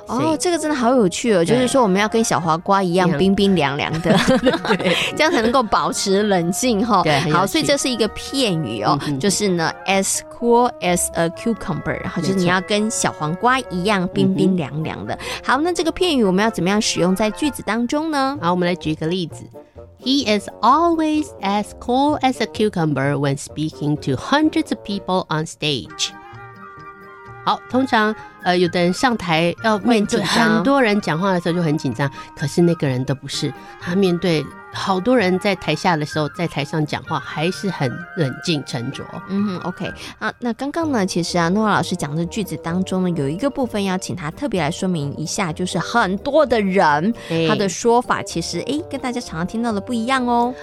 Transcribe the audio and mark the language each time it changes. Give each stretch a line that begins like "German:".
Chinese: 哦，这个真的好有趣哦，就是说我们要跟小黄瓜一样冰冰凉凉的，对，这样才能够保持冷静哈。好，所以这是一个片语哦，就是呢 ，
English: as cool as a cucumber，
Chinese: 然后就是你要跟小黄瓜一样冰冰凉凉的。好，那这个片语我们要怎么样使用在句子当中呢？好，我们来举一个例子。
English: He is always as cool as a cucumber when speaking to hundreds of people on stage。
Chinese: 好，通常有的人上台要面对很多人讲话的时候就很紧张，可是那个人都不是，他面对好多人在台下的时候，在台上讲话还是很冷静沉着。 OK 啊，那刚刚呢，其实啊，诺瓦老师讲的句子当中呢，有一个部分要请他特别来说明一下，就是很多的人，他的说法其实跟大家常常听到的不一样哦。